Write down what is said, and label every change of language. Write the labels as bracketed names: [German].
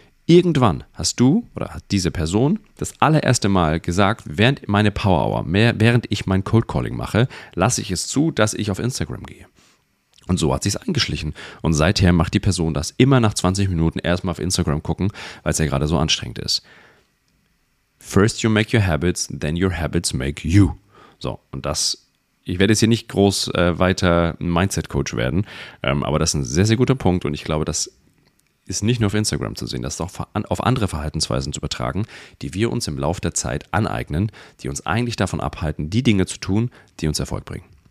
[German] Irgendwann hast du oder hat diese Person das allererste Mal gesagt, während meine Power Hour, während ich mein Cold Calling mache, lasse ich es zu, dass ich auf Instagram gehe. Und so hat sich's eingeschlichen. Und seither macht die Person das immer nach 20 Minuten erstmal auf Instagram gucken, weil es ja gerade so anstrengend ist. [English] First you make your habits, then your habits make you. [German] So, und das, ich werde jetzt hier nicht groß weiter ein Mindset-Coach werden, aber das ist ein sehr, sehr guter Punkt und ich glaube, das ist nicht nur auf Instagram zu sehen, das ist auch auf andere Verhaltensweisen zu übertragen, die wir uns im Laufe der Zeit aneignen, die uns eigentlich davon abhalten, die Dinge zu tun, die uns Erfolg bringen.